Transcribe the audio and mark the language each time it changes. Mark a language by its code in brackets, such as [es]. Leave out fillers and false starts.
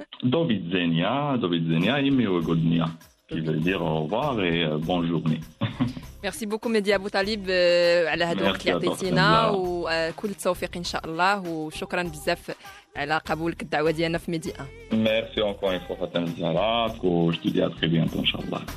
[ar] دوبيت زينيا يمي وغودنيا [fr] qui veut dire au revoir et bonne journée. [ar] Merci beaucoup Mehdi Aboutaleb على هاد الوقت اللي عطيتينا وكل التوفيق ان شاء الله, وشكرا بزاف على قبولك الدعوه ديالنا في ميديا. [fr] Merci encore une fois Fatane Zarak, et je te dis à très bientôt ان شاء الله.